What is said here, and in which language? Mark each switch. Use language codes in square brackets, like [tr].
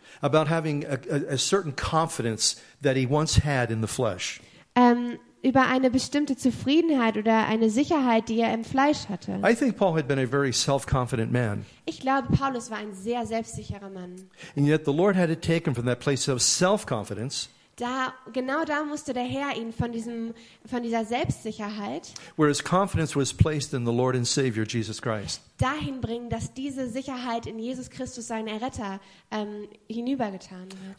[en] About having a certain confidence that he once had in the flesh. [de] Über eine bestimmte Zufriedenheit oder eine Sicherheit, die er im Fleisch hatte. [en] I think Paul had been a very self-confident man. [de] Ich glaube, Paulus war ein sehr selbstsicherer Mann. [en] And yet the Lord had to take him from that place of self-confidence. [de] Da, genau da musste der Herr ihn von dieser Selbstsicherheit, [en] where his confidence was placed in the Lord and Savior Jesus Christ, [de] dahin bringen, dass diese Sicherheit in Jesus Christus, seinen Erretter, hinübergetan wird.